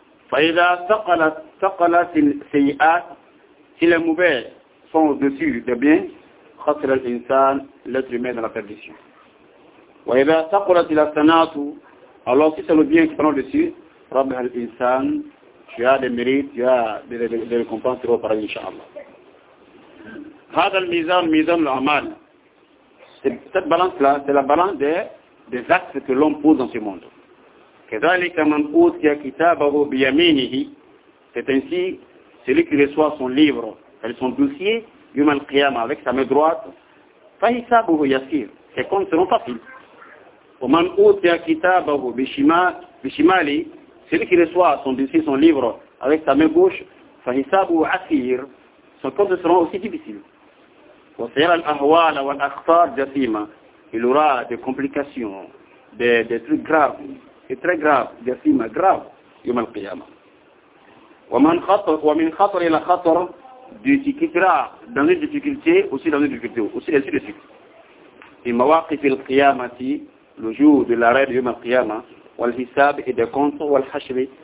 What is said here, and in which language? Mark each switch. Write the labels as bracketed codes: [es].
[ar] Faïda saqala siyat, [fr] si les mauvais sont au-dessus des biens, [ar] khasir al-insan, [fr] l'être humain dans la perdition. [ar] Faïda saqala [fr] si la sanatu, alors si c'est le bien qui prend au-dessus, [ar] rabbi al-insan, [fr] tu as des mérites, tu as des récompenses, tu vas au paradis, inshallah. [ar] هذا الميزان ميزان الأعمال. [fr] Cette balance là, c'est la balance des actes que l'on pose dans ce monde. [ar] كذلك من أوتي كتابه بيمينه, [fr] c'est ainsi celui qui reçoit son livre, elle son dossier, [ar] يوم القيامة, [fr] avec sa main droite, [ar] فحسابه يسير, [fr] ses comptes seront faciles. [ar] ومن أوتي كتابه بشمالي, [fr] celui qui reçoit son dossier, son livre, avec sa main gauche, [ar] فحسابه عسير, [fr] ses comptes seront aussi difficiles. [ar] وسيرى الأهوال والأخطار جسيمة. [fr] Il aura des complications, des trucs graves, et très graves, [ar] جسيمة, [fr] graves, [ar] يوم القيامة. ومن خطر إلى خطر, [fr] difficulté là, dans une difficulté, aussi dans une difficulté, aussi ainsi de suite. [ar] في مواقف القيامة, [fr] le jour de l'arrêt, [ar] يوم القيامة, والحساب [fr] et des comptes, [ar] والحشر,